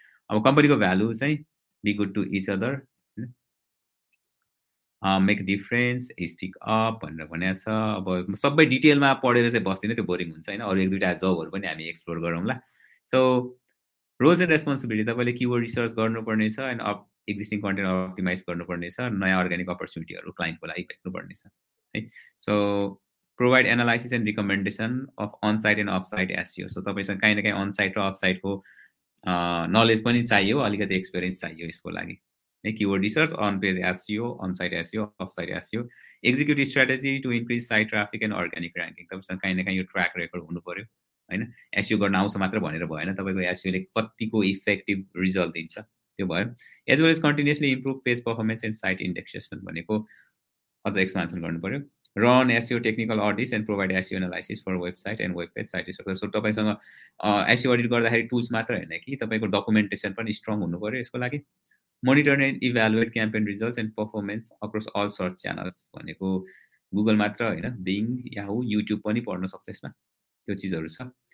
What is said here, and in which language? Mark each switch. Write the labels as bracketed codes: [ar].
[ne] अब कम्पनीको भ्यालु चाहिँ [en] be good to each other, make difference, speak up [ne] भनेर भनेको छ. अब सबै डिटेलमा पढेर चाहिँ बस्दिनँ, त्यो बोरिङ हुन्छ होइन, अरू एक दुईवटा जबहरू पनि हामी एक्सप्लोर गरौँला. [en] so roles and responsibility, [ne] तपाईँले किवर्ड रिसर्च गर्नुपर्नेछ and up existing content optimise गर्नुपर्नेछ, नयाँ अर्ग्यानिक अपर्च्युनिटीहरू क्लाइन्टको लागि भेट्नुपर्नेछ है. [en] So provide analysis and recommendation of onsite and offsite SEO. [ne] So तपाईँसँग काहीँ न काहीँ अनसाइट र अफसाइटको नलेज पनि चाहियो, अलिकति एक्सपिरियन्स चाहियो यसको लागि है. [en] Keyword research, on page SEO, onsite SEO, offsite SEO, executive strategy to increase site traffic and organic ranking. [ne] तपाईँसँग काहीँ न काहीँ यो ट्र्याक रेकर्ड हुनु पऱ्यो होइन, एसयु गर्न आउँछ मात्र भनेर भएन, तपाईँको एसयुले कतिको इफेक्टिभ रिजल्ट दिन्छ त्यो भयो. [en] as well as continuously improve page performance and site indexation [ne] भनेको अझ एक्सपान्सन गर्नु पऱ्यो. [en] Run SEO technical audits and provide SEO analysis for website and web page site. [ne] So तपाईँसँग एसयु अडिट गर्दाखेरि टुल्स मात्र होइन कि, तपाईँको डकुमेन्टेसन पनि स्ट्रङ हुनु पऱ्यो यसको लागि. [en] monitor and evaluate campaign result and performance across all search channels [ne] भनेको गुगल मात्र होइन, बिङ, याहु, युट्युब पनि पढ्न सक्छ यसमा, त्यो चिजहरू छ.